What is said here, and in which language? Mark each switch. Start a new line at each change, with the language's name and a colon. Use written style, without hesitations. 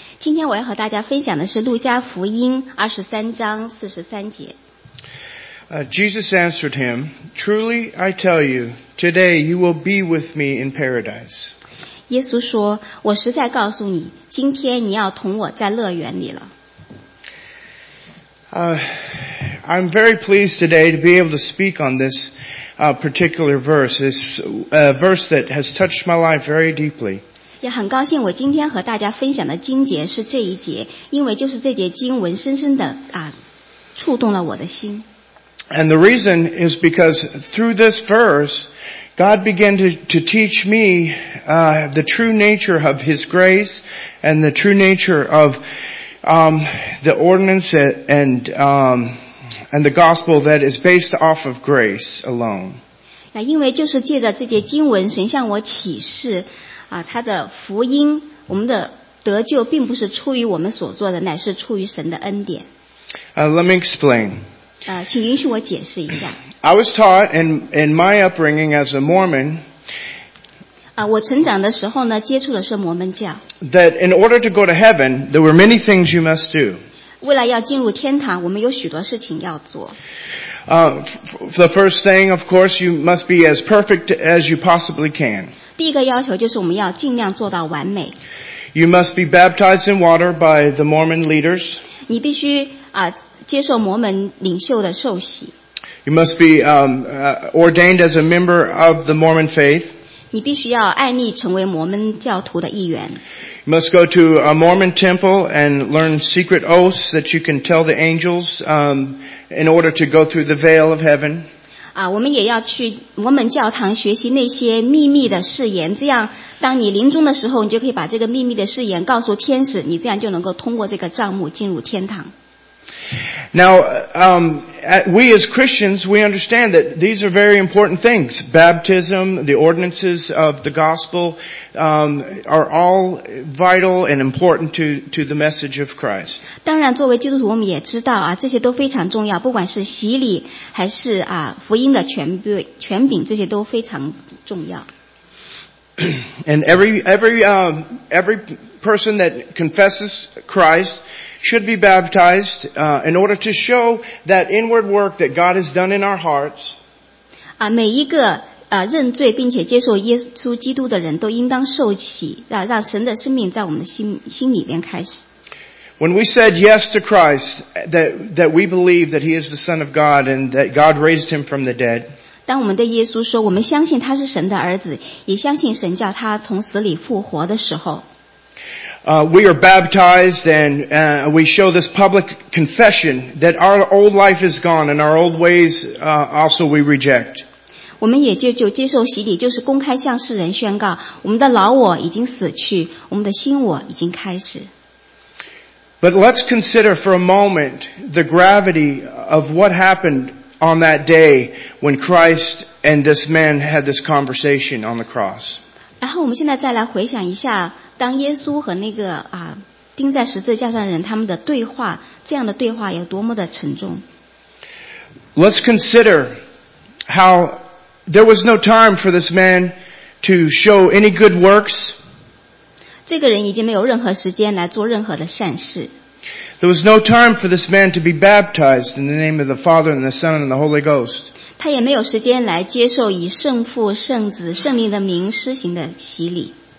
Chinese: 今天我要和大家分享的是路加福音23章43节。
English: Jesus answered him, "Truly I tell you, today you will be with me in paradise."
Chinese: 耶稣说，我实在告诉你，今天你要同我在乐园里了。
English: I'm very pleased today to be able to speak on this particular verse. It's a verse that has touched my life very deeply.
Chinese: 也很高兴我今天和大家分享的经节是这一节，因为就是这节经文深深的触动了我的心。
English: And the reason is because through this verse, God began to teach me the true nature of His grace and the true nature of the ordinance and the gospel that is based off of grace alone.
Chinese: 因为就是借着这节经文，神向我启示他的福音，我们的得救并不是出于我们所做的，乃是出于神的恩典。
English: Let me explain.
Chinese: 请允许我解释一下。
English: I was taught in my upbringing as a Mormon.
Chinese: 我成长的时候呢，接触的是摩门教。
English: That in order to go to heaven, there were many things you must do.
Chinese: 为了要进入天堂，我们有许多事情要做。
English: The first thing, of course, you must be as perfect as you possibly can.
Chinese: 第一个要求就是我们要尽量做到完美。
English: You must be baptized in water by the Mormon leaders.
Chinese: 你必须接受摩门领袖的受洗。
English: You must be ordained as a member of the Mormon faith.
Chinese: 你必须要按例成为摩门教徒的一员。
English: You must go to a Mormon temple and learn secret oaths that you can tell the angels in order to go through the veil of heaven.
Chinese: 我们也要去摩门教堂学习那些秘密的誓言，这样当你临终的时候，你就可以把这个秘密的誓言告诉天使，你这样就能够通过这个帐幕进入天堂。
English: Now, we as Christians, we understand that these are very important things. Baptism, the ordinances of the gospel, are all vital and important to the message of Christ.
Chinese: 当然，作为基督徒，我们也知道这些都非常重要，不管是洗礼还是福音的权柄，这些都非常重要。
English: And every person that confesses Christ should be baptized in order to show that inward work that God has done in our hearts.
Chinese: 每一个认罪并且接受耶稣基督的人都应当受洗，让神的生命在我们的心里边开始。
English: When we said yes to Christ, that we believe that He is the Son of God and that God raised Him from the dead.
Chinese: 当我们对耶稣说，我们相信他是神的儿子，也相信神叫他从死里复活的时候。
English: We are baptized and we show this public confession that our old life is gone and our old ways also we reject.
Chinese: 我们也就接受洗礼，就是公开向世人宣告，我们的老我已经死去，我们的新我已经开始。
English: But let's consider for a moment the gravity of what happened on that day when Christ and this man had this conversation on the cross.
Chinese: 然后我们现在再来回想一下当耶稣和那个钉在十字架上的人他们的对话，这样的对话有多么的沉重。
English: Let's consider how there was no time for this man to show any good works.
Chinese: 这个人已经没有任何时间来做任何的善事。
English: There was no time for this man to be baptized in the name of the Father and the Son and the Holy Ghost.
Chinese: 他也没有时间来接受以圣父、圣子、圣灵的名施行的洗礼。